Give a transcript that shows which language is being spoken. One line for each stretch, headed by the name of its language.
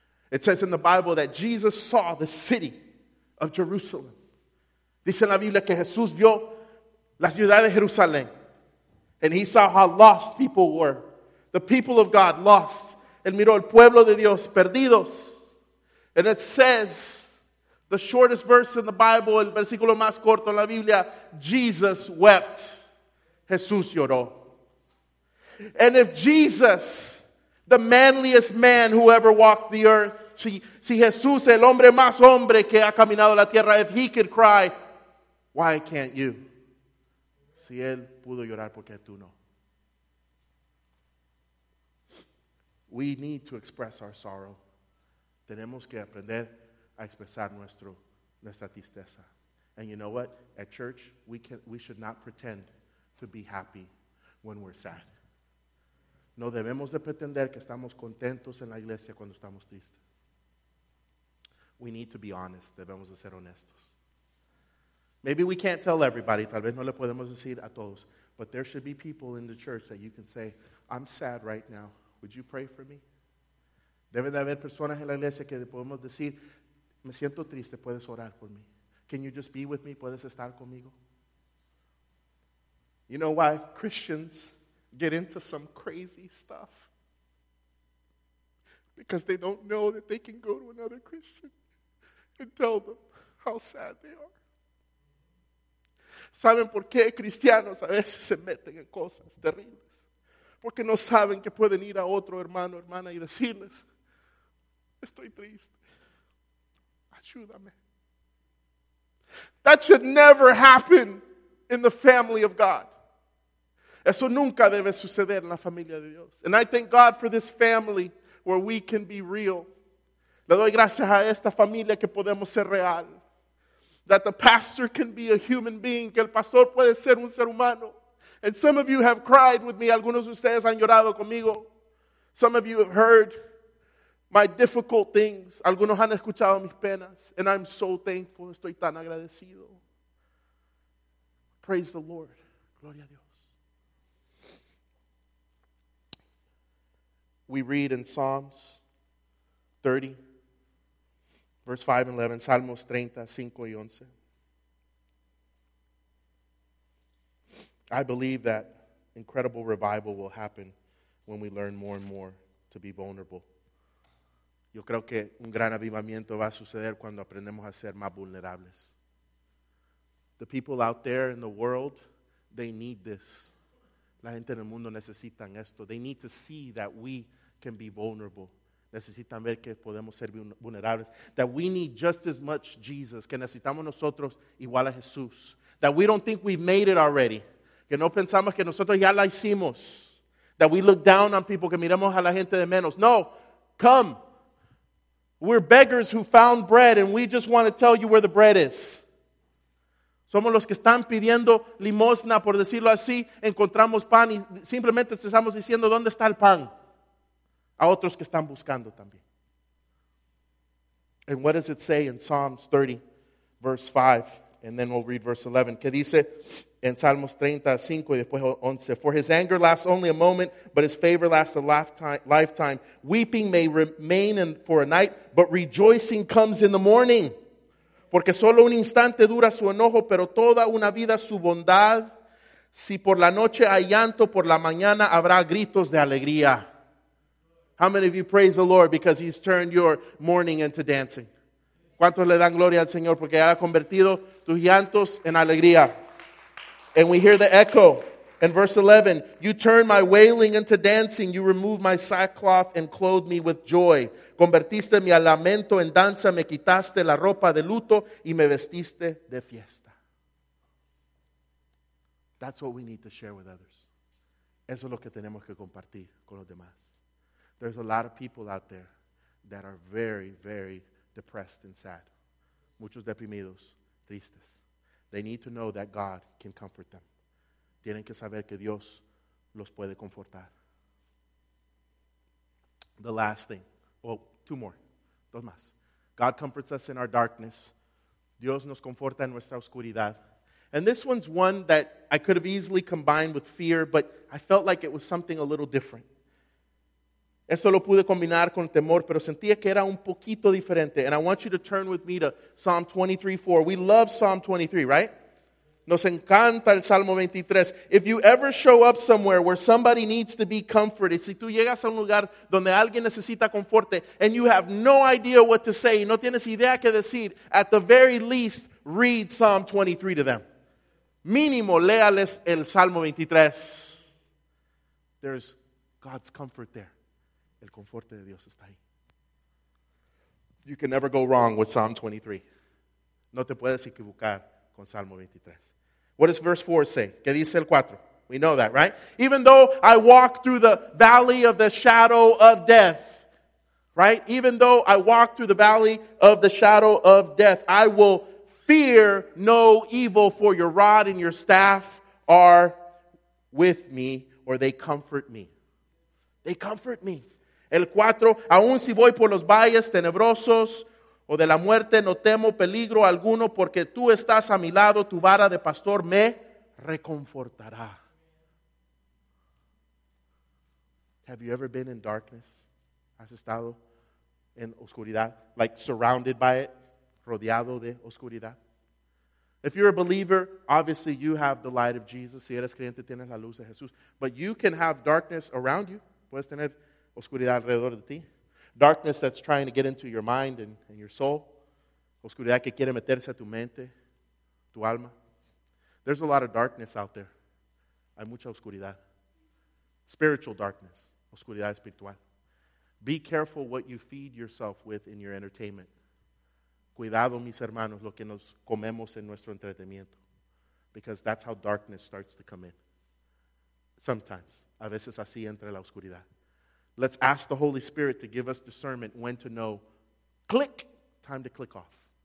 English: It says in the Bible that Jesus saw the city of Jerusalem.
Spanish: Dice en la Biblia que Jesús vio la ciudad de Jerusalén.
English: And he saw how lost people were. The people of God lost.
Spanish: Él miró el pueblo de Dios perdidos.
English: And it says, the shortest verse in the Bible,
Spanish: el versículo más corto en la Biblia,
English: Jesus wept.
Spanish: Jesús lloró.
English: And if Jesus, the manliest man who ever walked the earth,
Spanish: si Jesús, el hombre más hombre que ha caminado la tierra,
English: if he could cry, why can't you?
Spanish: Si él pudo llorar, ¿por qué tú no?
English: We need to express our sorrow.
Spanish: Tenemos que aprender a expresar nuestra tristeza.
English: And you know what? At church, we should not pretend to be happy when we're sad.
Spanish: No debemos de pretender que estamos contentos en la iglesia cuando estamos tristes.
English: We need to be honest.
Spanish: Debemos de ser honestos.
English: Maybe we can't tell everybody.
Spanish: Tal vez no le podemos decir a todos.
English: But there should be people in the church that you can say, I'm sad right now. Would you pray for me?
Spanish: Debe de haber personas en la iglesia que podemos decir, me siento triste. ¿Puedes orar por mí?
English: Can you just be with me?
Spanish: ¿Puedes estar conmigo?
English: You know why Christians get into some crazy stuff? Because they don't know that they can go to another Christian and tell them how sad they are.
Spanish: ¿Saben por qué cristianos a veces se meten en cosas terribles? Porque no saben que pueden ir a otro hermano o hermana y decirles, estoy triste, ayúdame.
English: That should never happen in the family of God.
Spanish: Eso nunca debe suceder en la familia de Dios.
English: And I thank God for this family where we can be real.
Spanish: Le doy gracias a esta familia que podemos ser real.
English: That the pastor can be a human being.
Spanish: Que el pastor puede ser un ser humano.
English: And some of you have cried with me.
Spanish: Algunos de ustedes han llorado conmigo.
English: Some of you have heard my difficult things.
Spanish: Algunos han escuchado mis penas.
English: And I'm so thankful.
Spanish: Estoy tan agradecido.
English: Praise the Lord.
Spanish: Gloria a Dios.
English: We read in Psalms 30, verse 5 and 11,
Spanish: Salmos 30, 5 y 11.
English: I believe that incredible revival will happen when we learn more and more to be vulnerable.
Spanish: Yo creo que un gran avivamiento va a suceder cuando aprendemos a ser más vulnerables.
English: The people out there in the world, they need this.
Spanish: La gente en el mundo necesita esto.
English: They need to see that we can be vulnerable.
Spanish: Necesitan ver que podemos ser vulnerables.
English: That we need just as much Jesus.
Spanish: Que necesitamos nosotros igual a Jesús.
English: That we don't think we've made it already.
Spanish: Que no pensamos que nosotros ya la hicimos.
English: That we look down on people.
Spanish: Que miramos a la gente de menos.
English: No, come. We're beggars who found bread and we just want to tell you where the bread is.
Spanish: Somos los que están pidiendo limosna, por decirlo así. Encontramos pan y simplemente estamos diciendo, ¿dónde está el pan? A otros que están buscando también.
English: And what does it say in Psalms 30, verse 5 And then we'll read verse 11.
Spanish: Que dice en Salmos 35 y después 11.
English: For his anger lasts only a moment, but his favor lasts a lifetime. Weeping may remain for a night, but rejoicing comes in the morning.
Spanish: Porque solo un instante dura su enojo, pero toda una vida su bondad. Si por la noche hay llanto, por la mañana habrá gritos de alegría.
English: How many of you praise the Lord because he's turned your mourning into dancing?
Spanish: ¿Cuántos le dan gloria al Señor porque ha convertido tus llantos en alegría?
English: And we hear the echo in verse 11. You turn my wailing into dancing. You remove my sackcloth and clothe me with joy.
Spanish: Convertiste mi lamento en danza. Me quitaste la ropa de luto y me vestiste de fiesta.
English: That's what we need to share with others.
Spanish: Eso es lo que tenemos que compartir con los demás.
English: There's a lot of people out there that are very, very depressed and sad.
Spanish: Muchos deprimidos, tristes.
English: They need to know that God can comfort them.
Spanish: Tienen que saber que Dios los puede confortar.
English: The last thing. Well, two more.
Spanish: Dos más.
English: God comforts us in our darkness.
Spanish: Dios nos conforta en nuestra oscuridad.
English: And this one's one that I could have easily combined with fear, but I felt like it was something a little different.
Spanish: Esto lo pude combinar con temor, pero sentía que era un poquito diferente.
English: And I want you to turn with me to Psalm 23:4. We love Psalm 23, right?
Spanish: Nos encanta el Salmo 23.
English: If you ever show up somewhere where somebody needs to be comforted,
Spanish: si tú llegas a un lugar donde alguien necesita conforte,
English: and you have no idea what to say,
Spanish: no tienes idea qué decir,
English: at the very least, read Psalm 23 to them.
Spanish: Mínimo, léales el Salmo 23.
English: There's God's comfort there.
Spanish: El conforte de Dios está ahí.
English: You can never go wrong with Psalm 23.
Spanish: No te puedes equivocar con Salmo 23.
English: What does verse 4 say?
Spanish: ¿Qué dice el 4?
English: We know that, right? Even though I walk through the valley of the shadow of death, right? Even though I walk through the valley of the shadow of death, I will fear no evil, for your rod and your staff are with me, or they comfort me. They comfort me.
Spanish: El 4, aun si voy por los valles tenebrosos o de la muerte, no temo peligro alguno porque tú estás a mi lado, tu vara de pastor me reconfortará.
English: Have you ever been in darkness?
Spanish: ¿Has estado en oscuridad?
English: Like surrounded by it,
Spanish: rodeado de oscuridad.
English: If you're a believer, obviously you have the light of Jesus.
Spanish: Si eres creyente, tienes la luz de Jesús.
English: But you can have darkness around you.
Spanish: Puedes tener oscuridad alrededor de ti.
English: Darkness that's trying to get into your mind and your soul.
Spanish: Oscuridad que quiere meterse a tu mente, tu alma.
English: There's a lot of darkness out there.
Spanish: Hay mucha oscuridad.
English: Spiritual darkness.
Spanish: Oscuridad espiritual.
English: Be careful what you feed yourself with in your entertainment.
Spanish: Cuidado, mis hermanos, lo que nos comemos en nuestro entretenimiento.
English: Because that's how darkness starts to come in. Sometimes.
Spanish: A veces así entra la oscuridad.
English: Let's ask the Holy Spirit to give us discernment when to know, click, time to click off.